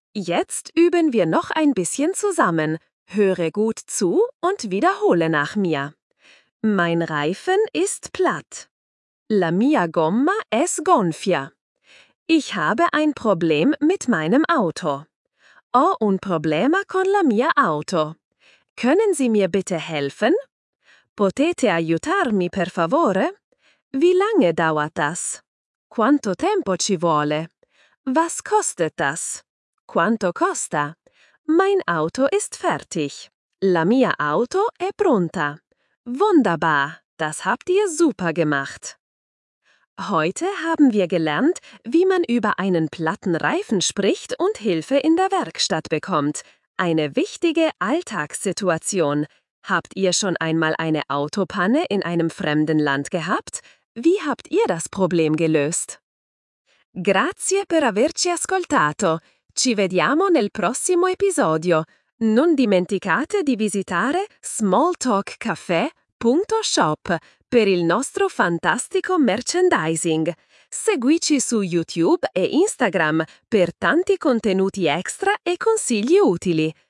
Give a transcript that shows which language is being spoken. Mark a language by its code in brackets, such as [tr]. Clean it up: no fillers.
[de] Jetzt üben wir noch ein bisschen zusammen. Höre gut zu und wiederhole nach mir. Mein Reifen ist platt. [it] La mia gomma è sgonfia. [de] Ich habe ein Problem mit meinem Auto. [it] Ho un problema con la mia auto. [de] Können Sie mir bitte helfen? [it] Potete aiutarmi per favore? [de] Wie lange dauert das? [it] Quanto tempo ci vuole? [de] Was kostet das? [it] Quanto costa? [de] Mein Auto ist fertig. [it] La mia auto è pronta. [de] Wunderbar, das habt ihr super gemacht. Heute haben wir gelernt, wie man über einen platten Reifen spricht und Hilfe in der Werkstatt bekommt. Eine wichtige Alltagssituation. Habt ihr schon einmal eine Autopanne in einem fremden Land gehabt? Wie habt ihr das Problem gelöst? [it] Grazie per averci ascoltato. Ci vediamo nel prossimo episodio. Non dimenticate di visitare smalltalkcafe.shop. Per il nostro fantastico merchandising. Seguici su YouTube e Instagram per tanti contenuti extra e consigli utili.